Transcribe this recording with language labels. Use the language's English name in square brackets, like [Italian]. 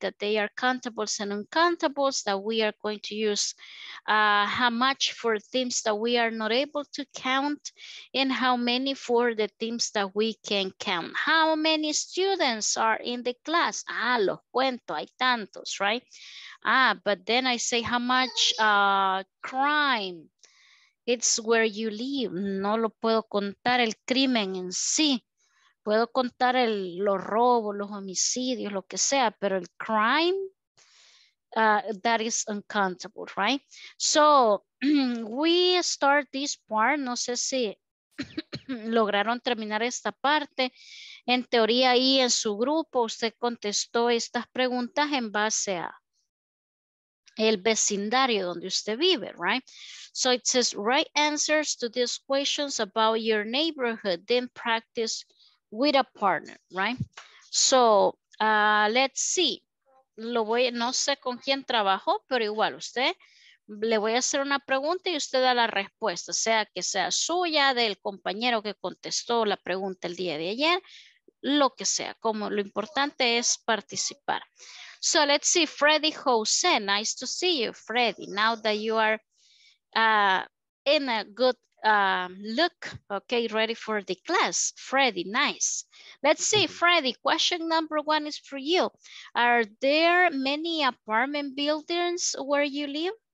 [English] That they are countables and uncountables, that we are going to use how much for things that we are not able to count and how many for the things that we can count. How many students are in the class? [Spanish] Ah, los cuento, hay tantos, [English] right? Ah, but then I say how much crime. It's where you live. [Spanish] No lo puedo contar el crimen en sí. Puedo contar los robos, los homicidios, lo que sea, pero el crime, [English] that is uncountable, right? So we start this part. [Spanish] No sé si lograron terminar esta parte. en teoría ahí en su grupo usted contestó estas preguntas en base a el vecindario donde usted vive, right? [English] So it says, write answers to these questions about your neighborhood, then practice with a partner, right? So, let's see. [Spanish] No sé con quién trabajó, pero igual usted le voy a hacer una pregunta y usted da la respuesta, sea que sea suya, del compañero que contestó la pregunta el día de ayer, lo que sea, como lo importante es participar. [English] So let's see, Freddy Jose, nice to see you, Freddy, now that you are in a good look, okay, ready for the class. Freddy, nice. Let's see, Freddy, question number one is for you. Are there many apartment buildings where you live?